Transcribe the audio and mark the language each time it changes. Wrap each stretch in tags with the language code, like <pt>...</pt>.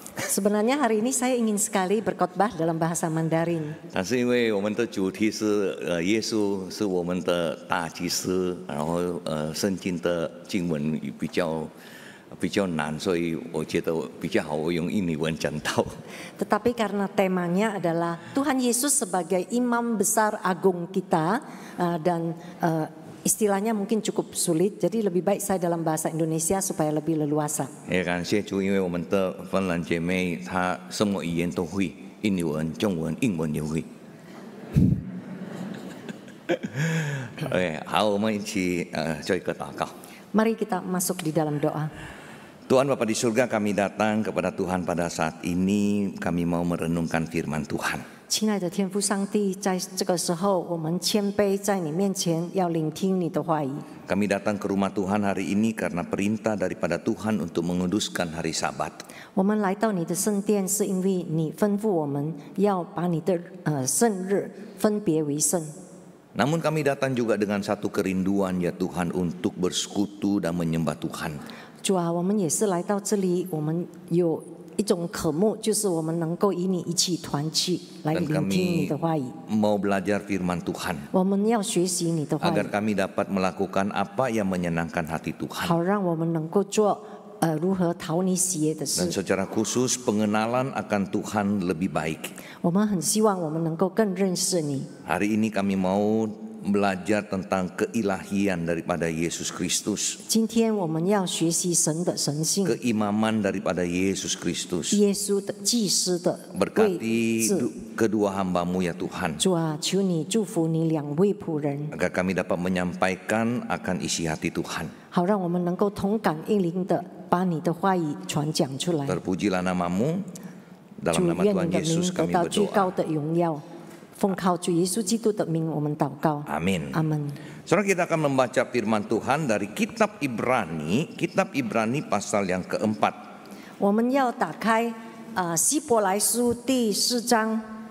<id>Sebenarnya hari ini saya ingin sekali berkhotbah dalam bahasa Mandarin.</id> <zh>但是因为我们的主题是耶稣是我们的大祭司，然后圣经的经文也比较难，所以我觉得比较好我用印尼文讲道。</zh> <id>Tetapi karena temanya adalah Tuhan Yesus sebagai Imam Besar Agung kita dan istilahnya mungkin cukup sulit, jadi lebih baik saya dalam bahasa Indonesia supaya lebih leluasa.</id> <zh>Ya, 感谢主，因为我们的芬兰姐妹她什么语言都会，印尼文、中文、英文也会。 Okay, 好，我们一起做一个祷告。</zh> <id>Mari kita masuk di dalam doa. Tuhan Bapa di surga, kami datang kepada Tuhan pada saat ini, kami mau merenungkan firman Tuhan.</id> <zh>亲爱的天父上帝，在这个时候我们谦卑在你面前，要聆听你的话语。</zh> <id>Kami datang ke rumah Tuhan hari ini karena perintah daripada Tuhan untuk menguduskan hari Sabat.</id> <zh>我们来到你的圣殿是因为你吩咐我们要把你的圣日分别为圣。</zh> <id>Namun kami datang juga dengan satu kerinduan ya Tuhan untuk bersekutu dan menyembah Tuhan.</id> <zh>主啊，我们也是来到这里，我们有一种渴慕，就是我们能够与你一起团契，来聆听你的话语。</zh> <id>Mau belajar firman Tuhan。</id> <zh>我们要学习你的话语。</zh> <id>Agar kami dapat melakukan apa yang menyenangkan hati Tuhan。</id> <zh>好让我们能够做如何讨你喜悦的事。</zh> <id>Dan secara khusus pengenalan akan Tuhan lebih baik。</id> <zh>我们很希望我们能够更认识你。</zh> <id>Hari ini kami mau belajar tentang keilahian daripada Yesus Kristus.</id> <zh>今天我们要学习神的神性。</zh> <id>Keimaman daripada Yesus Kristus.</id> <zh>耶稣的祭司的位置。</zh> <id>Berkati kedua hambamu ya Tuhan.</id> <zh>主啊，求你祝福你两位仆人。</zh> <id>Agar kami dapat menyampaikan akan isi hati Tuhan.</id> <zh>好让我们能够同感应灵的把你的话语传讲出来。</zh> <id>Terpujilah namamu. Dalam nama Tuhan Yesus kami berdoa.</id> <zh>主愿你的名得到至高的荣耀。奉靠主耶稣基督的名我们祷告。</zh> <id>Amin. Amin. Sekarang kita akan membaca firman Tuhan dari kitab Ibrani, kitab Ibrani pasal yang keempat.</id> <zh>我们要打开希伯来书第四章。</zh>